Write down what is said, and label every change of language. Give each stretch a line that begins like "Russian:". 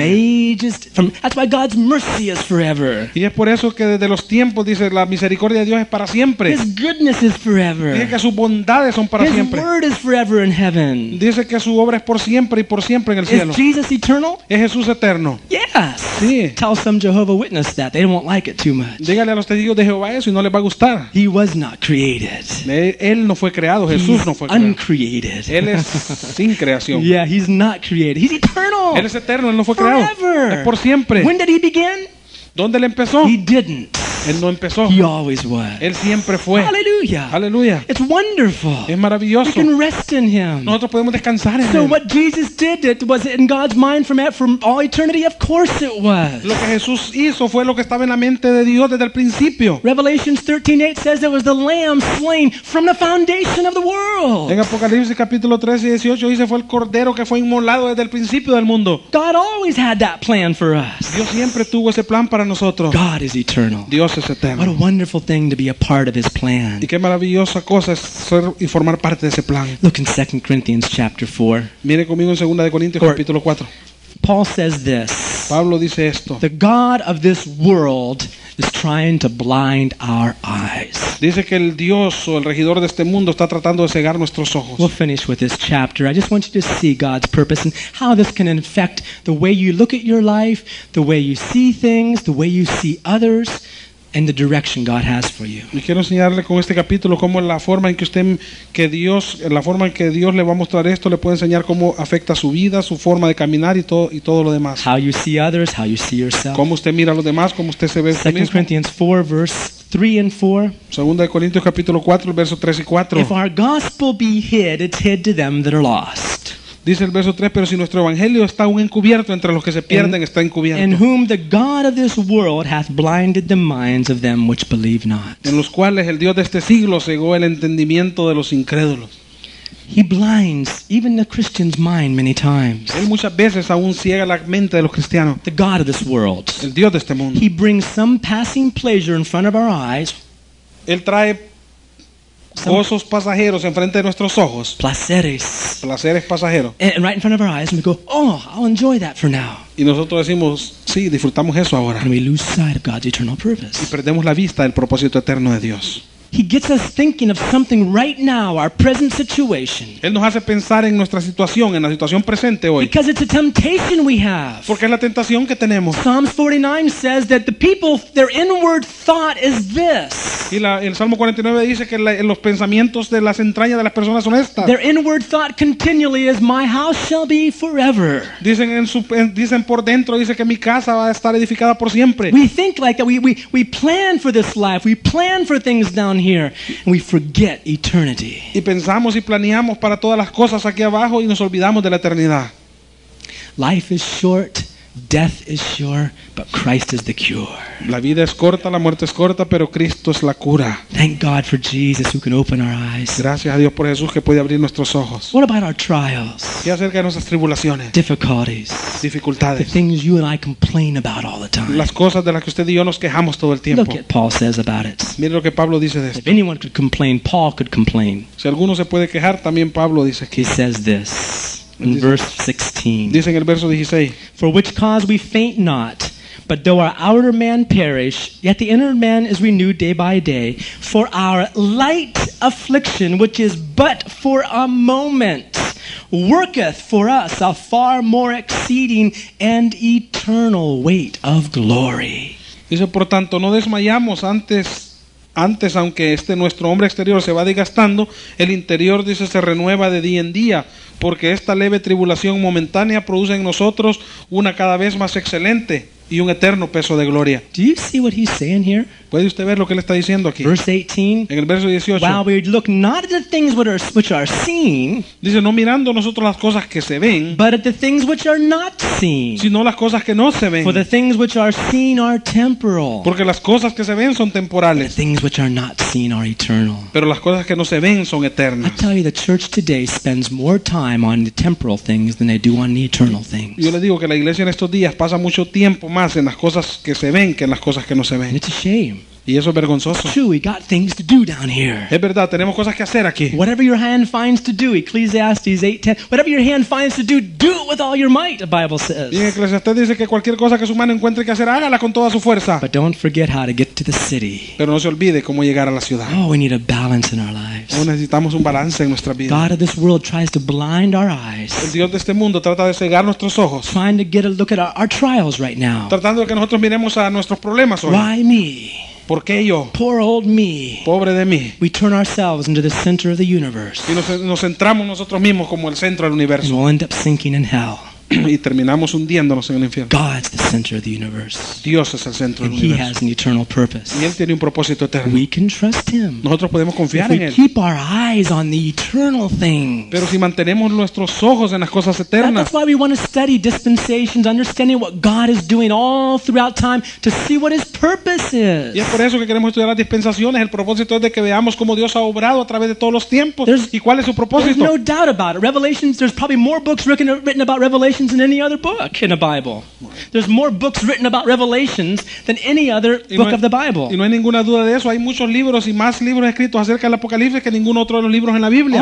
Spanish: en él.
English: That's why God's mercy is forever.
Spanish: Y es por eso que desde los tiempos dice la misericordia de Dios es para siempre.
English: His goodness is forever.
Spanish: Dice que sus bondades son para siempre.
English: His word is forever in heaven.
Spanish: Dice que su obra es por siempre en el cielo.
English: Is Jesus eternal?
Spanish: ¿Es Jesús eterno?
English: Yes.
Spanish: Sí.
English: Tell some Jehovah Witness that they won't like it too much.
Spanish: Dígale a los testigos de Jehová eso y no les va a gustar.
English: He was not created.
Spanish: Él no fue creado. Jesús no fue creado.
English: Uncreated.
Spanish: Él es sin creación.
English: Yeah, he's not created. He's eternal.
Spanish: Él es eterno. Él no fue creado.
English: Forever.
Spanish: Es por siempre.
English: When did he begin?
Spanish: ¿Dónde él empezó?
English: He didn't.
Spanish: Él no empezó.
English: He always was.
Spanish: Él siempre fue.
English: Hallelujah.
Spanish: Hallelujah.
English: It's wonderful.
Spanish: Es maravilloso.
English: We can rest in him.
Spanish: Nosotros podemos descansar en
English: so
Spanish: él.
English: What Jesus did, it was in God's mind from all eternity. Of course it was.
Spanish: Lo que Jesús hizo fue lo que estaba en la mente de Dios desde el principio.
English: Revelations 13:8 says it was the Lamb slain from the foundation of the world.
Spanish: En Apocalipsis capítulo 13:18 dice fue el cordero que fue inmolado desde el principio del mundo.
English: God always had that plan for us.
Spanish: Dios siempre tuvo ese plan para nosotros.
English: God is eternal.
Spanish: Dios.
English: What a wonderful thing to be a part of his plan.
Spanish: Y qué maravillosa cosa es ser y formar parte de ese plan.
English: Look in 2 Corinthians chapter 4.
Spanish: Mire conmigo en 2 Corintios capítulo 4.
English: Paul says this.
Spanish: Pablo dice esto.
English: The god of this world is trying to blind our eyes.
Spanish: Dice que el dios o el regidor de este mundo está tratando de cegar nuestros ojos.
English: We'll finish with this chapter. I just want you to see God's purpose and how this can affect the way you look at your life, the way you see things, the way you see others. And the direction God has for you.
Spanish: Y quiero enseñarle con este capítulo cómo la forma en que usted, que Dios, la forma en que Dios le va a mostrar esto, le puede enseñar cómo afecta su vida, su forma de caminar y todo lo demás.
English: How you see others, how you see yourself.
Spanish: Cómo usted mira a los demás, cómo usted se ve.
English: 2 Corinthians 4, verse 3 and 4.
Spanish: Segunda de Corintios capítulo 4, verso 3 y 4.
English: If our gospel be hid, it's hid to them that are lost.
Spanish: Dice el verso 3, pero si nuestro evangelio está aún encubierto entre los que se pierden,
English: and,
Spanish: está encubierto.
English: In whom the god of this world hath blinded the minds of them which believe not.
Spanish: En los cuales el dios de este siglo cegó el entendimiento de los incrédulos.
English: He blinds even the Christian's mind many times.
Spanish: Él muchas veces aún ciega la mente de los cristianos.
English: The god of this world.
Spanish: El dios de este mundo.
English: He brings some passing pleasure in front of our eyes.
Spanish: Él trae gozos pasajeros enfrente de nuestros ojos. Placeres. Placeres pasajeros.
English: And right in front of our eyes, and we go, oh, I'll enjoy that for now.
Spanish: Y nosotros decimos, sí, disfrutamos eso ahora.
English: And we lose sight of God's eternal purpose.
Spanish: Y perdemos la vista del propósito eterno de Dios.
English: He gets us thinking of something right now, our present situation.
Spanish: Él nos hace pensar en nuestra situación, en la situación presente hoy.
English: Because it's a temptation we have.
Spanish: Porque es la tentación que tenemos.
English: Psalms 49 says that the people, their inward thought is this.
Spanish: Y el Salmo 49 dice que los pensamientos de las entrañas de las personas son estas.
English: Their inward thought continually is, my house shall be forever.
Spanish: Dicen por dentro, dice que mi casa va a estar edificada por siempre.
English: We think like that. We plan for this life. We plan for things now. Here and we forget eternity.
Spanish: Y pensamos y planeamos para todas las cosas aquí abajo y nos olvidamos de la eternidad.
English: Life is short, death is sure, but Christ is the cure.
Spanish: La vida es corta, la muerte es corta, pero Cristo es la cura.
English: Thank God for Jesus who can open our eyes.
Spanish: Gracias a Dios por Jesús que puede abrir nuestros ojos.
English: What about our trials?
Spanish: ¿Qué acerca de nuestras tribulaciones?
English: Difficulties.
Spanish: Dificultades.
English: The things you and I complain about all the time.
Spanish: Las cosas de las que usted y yo nos quejamos todo el tiempo.
English: Look at Paul says about it.
Spanish: Mire lo que Pablo dice de esto.
English: If anyone could complain, Paul could complain.
Spanish: Si alguno se puede quejar, también Pablo dice aquí.
English: He says this. In verse 16.
Spanish: Dice en el verso 16.
English: For which cause we faint not, but though our outer man perish, yet the inner man is renewed day by day. For our light affliction, which is but for a moment, worketh for us a far more exceeding and eternal weight of glory.
Spanish: Dice, por tanto, no desmayamos antes, aunque este nuestro hombre exterior se va desgastando, el interior, dice, se renueva de día en día. Porque esta leve tribulación momentánea produce en nosotros una cada vez más excelente y un eterno peso de gloria.
English: Do you see what he's saying here?
Spanish: ¿Puede usted ver lo que él está diciendo aquí?
English: Verse 18.
Spanish: En el verso 18.
English: While we look not at the things which are seen.
Spanish: Dice, no mirando nosotros las cosas que se ven.
English: But at the things which are not seen.
Spanish: Sino las cosas que no se ven.
English: For the things which are seen are temporal.
Spanish: Porque las cosas que se ven son temporales.
English: The things which are not seen are eternal.
Spanish: Pero las cosas que no se ven son eternas.
English: I tell you, the church today spends more time on the temporal things than they do on the eternal things.
Spanish: Yo le digo que la iglesia en estos días pasa mucho tiempo más en las cosas que se ven que en las cosas que no se ven.
English: It's a shame.
Spanish: Y eso es vergonzoso.
English: True, we got things to do down here.
Spanish: Es verdad, tenemos cosas que hacer aquí.
English: Whatever your hand finds to do, Ecclesiastes 8:10. Whatever your hand finds to do, do it with all your might, the Bible says.
Spanish: Y en Eclesiastés dice que cualquier cosa que su mano encuentre que hacer, hágala con toda su fuerza.
English: But don't forget how to get to the city.
Spanish: Pero no se olvide cómo llegar a la ciudad.
English: Oh, we need a balance in our lives.
Spanish: Oh, necesitamos un balance en nuestra vida.
English: God of this world tries to blind our eyes.
Spanish: El Dios de este mundo trata de cegar nuestros ojos.
English: Trying to get a look at our trials right now.
Spanish: Tratando de que nosotros miremos a nuestros problemas hoy.
English: Why me?
Spanish: ¿Por qué yo?
English: Poor old me.
Spanish: Pobre de mí.
English: We turn ourselves into the center of the universe.
Spanish: Y nos centramos nosotros mismos como el centro del universo.
English: And we'll end up sinking in hell.
Spanish: Y terminamos hundiéndonos en el infierno.
English: God's the center of the universe.
Spanish: Dios es el centro del universo.
English: He has an eternal purpose.
Spanish: Y él tiene un propósito eterno.
English: We can trust him.
Spanish: Nosotros podemos confiar
English: if
Spanish: en
English: we
Spanish: él.
English: Keep our eyes on the eternal things.
Spanish: Pero si mantenemos nuestros ojos en las cosas eternas.
English: That's why we want to study dispensations, understanding what God is doing all throughout time to see what his purpose is.
Spanish: Y es por eso que queremos estudiar las dispensaciones, el propósito es de que veamos cómo Dios ha obrado a través de todos los tiempos y cuál es su propósito.
English: There's no doubt about it. Revelations, there's probably more books written about Revelation than any other book in the Bible. There's more books written about Revelations than any other book of the Bible.
Spanish: Y no hay ninguna duda de eso. Hay muchos libros y más libros escritos acerca del Apocalipsis que ningún otro de los libros en la Biblia.